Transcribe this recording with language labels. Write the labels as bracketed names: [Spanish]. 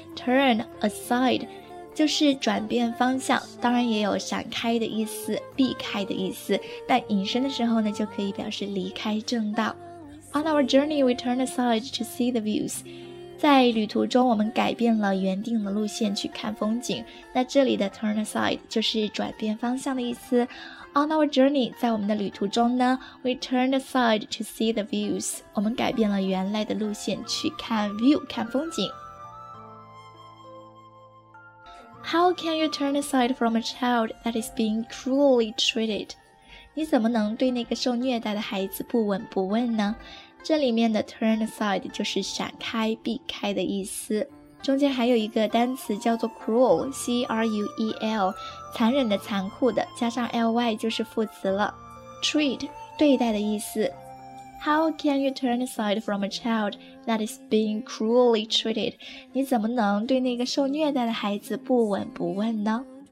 [Chinese] Turn aside, 就是转变方向，当然也有闪开的意思，避开的意思，但隐身的时候呢，就可以表示离开正道。 [English] On our journey, we turn aside to see the views. [Chinese] 在旅途中我们改变了原定的路线去看风景，那这里的 turn aside 就是转变方向的意思。 [English] On our journey [Chinese] 在我们的旅途中呢， [English] We turn aside to see the views， [Chinese] 我们改变了原来的路线去看 view， 看风景。 [English] How can you turn aside from a child that is being cruelly treated？ [Chinese] 你怎么能对那个受虐待的孩子不闻不问呢？这里面的 turn aside 就是闪开、避开的意思。中间还有一个单词叫做 cruel， C-R-U-E-L， 残忍的、残酷的，加上 ly 就是副词了。 Treat， 对待的意思。 [English] How can you turn aside from a child that is being cruelly treated？ [Chinese] 你怎么能对那个受虐待的孩子不闻不问呢？